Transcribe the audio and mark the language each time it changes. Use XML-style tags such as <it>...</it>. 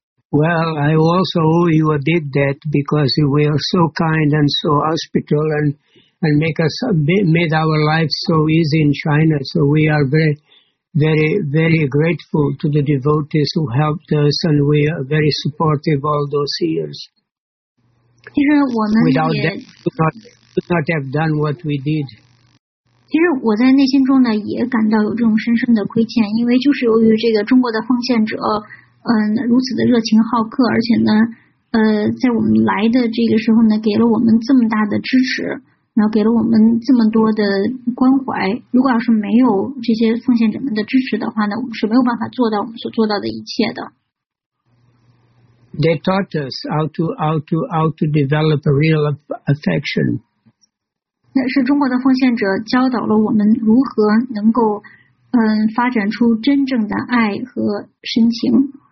<en>Well, I also owe you a big debt because you were so kind and so hospitable and made our life so easy in China. So we are very, very, very grateful to the devotees who helped us, and we are very supportive all those years. Without them, we would not have done what we did.</en> <zh>其实我在内心中呢，也感到有这种深深的亏欠，因为就是由于这个中国的奉献者，如此的热情好客，而且呢，在我们来的这个时候呢，给了我们这么大的支持。然后给了我们这么多的关怀，如果要是没有这些奉献者们的支持的话呢，我们是没有办法做到我们所做到的一切的。</zh> <en>They taught us how to develop a real affection.</en> <zh>那是中国的奉献者教导了我们如何能够发展出真正的爱和深情。</zh>